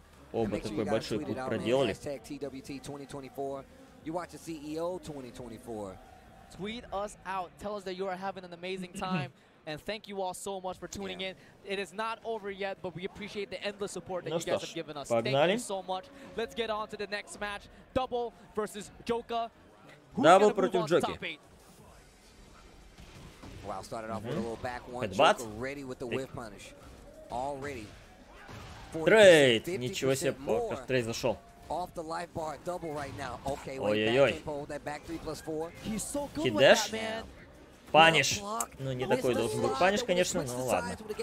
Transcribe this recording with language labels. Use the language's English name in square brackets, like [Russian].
[Russian] Оба такой большой путь проделали. [English] Tweet us out, tell us that you are having an amazing time. And thank you all so much for tuning in. It is not over yet, but we appreciate the endless support that you guys have given us. [Russian] Погнали. [English] Thank you so much. Let's get on to the next match. Double versus Joker. [Russian] Double против Джоки. [English] Wow, started off with a little back one. Joker ready with the whiff punish. Already. [Russian] Трейд. Ничего себе, пока трейд зашел. [English] Off the life bar, double right now. Okay, ой-ой-ой. He's so good with that, man. [Russian] Паниш. Ну, не такой должен быть паниш, конечно, но ладно.